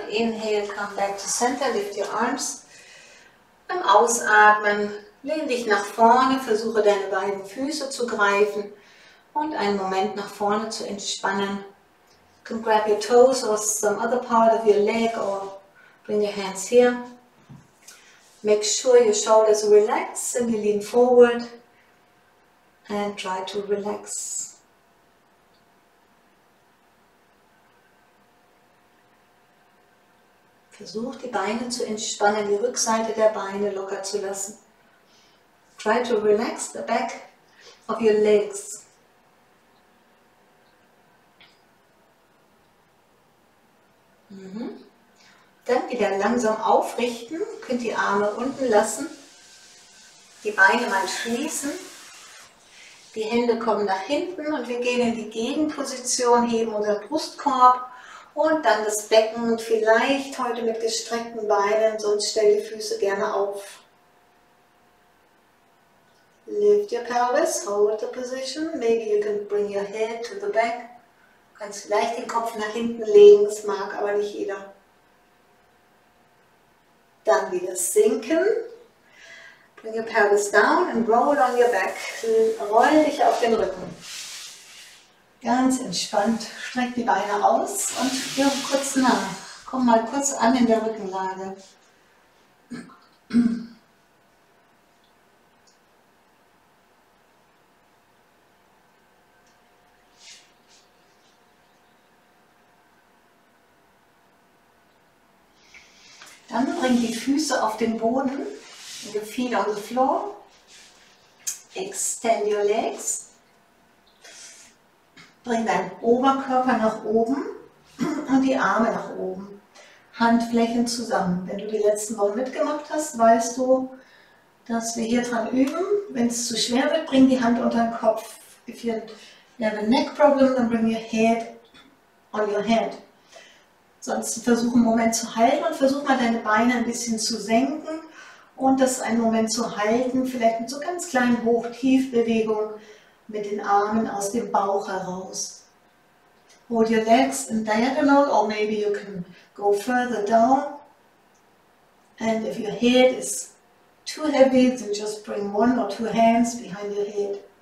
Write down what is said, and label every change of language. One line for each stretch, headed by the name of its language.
English: Inhale, come back to center, lift your arms.
German: Beim Ausatmen lehn dich nach vorne, versuche deine beiden Füße zu greifen und einen Moment nach vorne zu entspannen.
English: You can grab your toes or some other part of your leg or bring your hands here. Make sure your shoulders relax and you lean forward and try to relax.
German: Versuch die Beine zu entspannen, die Rückseite der Beine locker zu lassen.
English: Try to relax the back of your legs.
German: Dann wieder langsam aufrichten, könnt die Arme unten lassen, die Beine mal schließen, die Hände kommen nach hinten und wir gehen in die Gegenposition, heben unser Brustkorb und dann das Becken und vielleicht heute mit gestreckten Beinen, sonst stell die Füße gerne auf.
English: Lift your pelvis, hold the position, maybe you can bring your head to the back.
German: Du kannst vielleicht den Kopf nach hinten legen, das mag aber nicht jeder. Dann wieder sinken.
English: Bring your pelvis down and roll on your back.
German: Roll dich auf den Rücken. Ganz entspannt, streck die Beine aus und geh kurz nach. Komm mal kurz an in der Rückenlage. Dann bring die Füße auf den Boden,
English: the feet on the floor, extend your legs,
German: bring deinen Oberkörper nach oben und die Arme nach oben, Handflächen zusammen. Wenn du die letzten Wochen mitgemacht hast, weißt du, dass wir hier dran üben. Wenn es zu schwer wird, bring die Hand unter den Kopf.
English: If you have a neck problem, then bring your head on your head.
German: Sonst versuch einen Moment zu halten und versuch mal deine Beine ein bisschen zu senken und das einen Moment zu halten, vielleicht mit so ganz kleinen Hoch-Tief-Bewegungen mit den Armen aus dem Bauch heraus.
English: Hold your legs in diagonal or maybe you can go further down. And if your head is too heavy, then just bring one or two hands behind your head.